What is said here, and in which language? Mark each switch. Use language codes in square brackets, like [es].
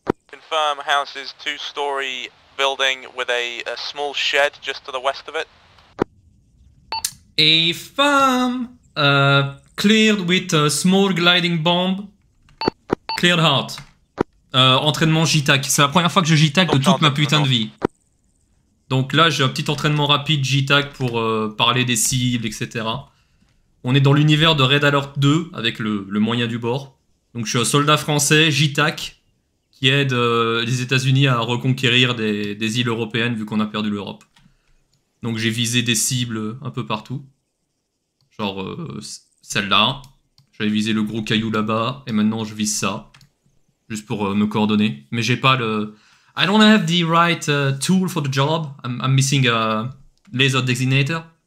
[en] Confirm house is two story. Building with a small shed just to the west of it. A farm cleared with a small gliding bomb. Cleared heart. [fr] Entraînement JTAC. C'est la première fois que je JTAC de toute ma putain de vie. Donc là, j'ai un petit entraînement rapide JTAC pour parler des cibles, etc. On est dans l'univers de Red Alert 2 avec le moyen du bord. Donc je suis un soldat français, JTAC. Qui aide les États-Unis à reconquérir des îles européennes vu qu'on a perdu l'Europe. Donc j'ai visé des cibles un peu partout. Genre celle-là. J'avais visé le gros caillou là-bas et maintenant je vise ça. Juste pour me coordonner. Mais j'ai pas le. [en] I don't have the right tool for the job. I'm missing a laser designator.